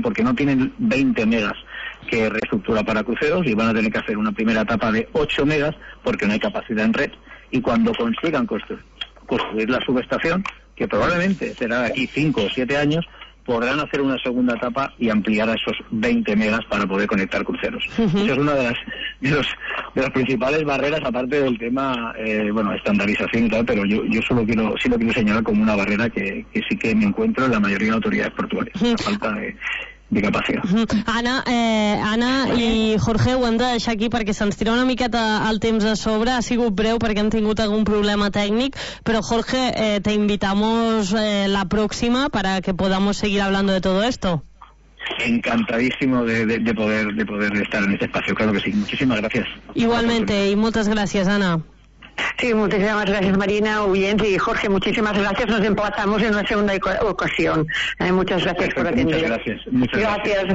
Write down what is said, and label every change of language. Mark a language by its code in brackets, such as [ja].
[es] Porque no tienen 20 megas que reestructura para cruceros, y van a tener que hacer una primera etapa de 8 megas porque no hay capacidad en red, y cuando consigan construir la subestación, que probablemente será de aquí 5 o 7 años, podrán hacer una segunda etapa y ampliar a esos 20 megas para poder conectar cruceros. Eso es una de las principales barreras, aparte del tema bueno, estandarización y tal, pero yo solo quiero, sí lo quiero señalar como una barrera que sí que me encuentro en la mayoría de autoridades portuarias, la falta de [ca] discapacitat. Anna i Jorge, ho hem de deixar aquí perquè se'ns tira una miqueta el temps a sobre. Ha sigut breu perquè hem tingut algun problema tècnic, però Jorge, [es] te invitamos la próxima para que podamos seguir hablando de todo esto. Encantadísimo de poder estar en este espacio, claro que sí. Muchísimas gracias. Igualmente, y muchas gracias, Anna. Sí, muchísimas gracias, Marina, oyente, y Jorge, muchísimas gracias. Nos emplazamos en una segunda ocasión. Muchas gracias. Perfecto, por atender. Muchas gracias.